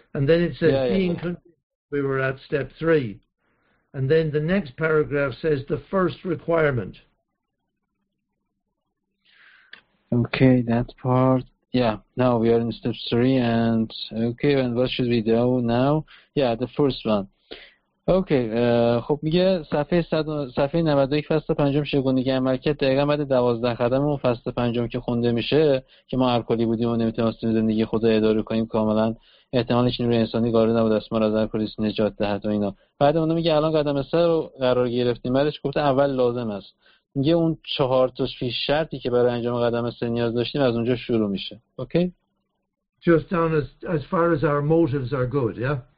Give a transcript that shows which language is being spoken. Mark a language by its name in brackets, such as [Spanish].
[English] And then it says we were at step 3. And then the next paragraph says the first requirement. Okay, that part. Yeah, now we are in step 3. And okay, and what should we do now? Yeah, the first one. [Persian] اوکی خب میگه صفحه 91 فصل پنجم چگونگی عملکرد دقیقا بعد 12 قدم اون فصل پنجم که خونده میشه که ما الکلی بودیم و نمیتونستیم زندگی خود رو اداره کنیم کاملا احتمالش نیروی انسانی قادر نبود است ما را از الکلی نجات دهد و اینا بعد اونو میگه الان قدم 3 رو قرار گرفتیم بعدش گفته اول لازم است میگه اون 4 تا پیش شرطی که برای انجام قدم 3 نیاز داشتیم از اونجا شروع میشه اوکی [English] just down as far as our motives are good yeah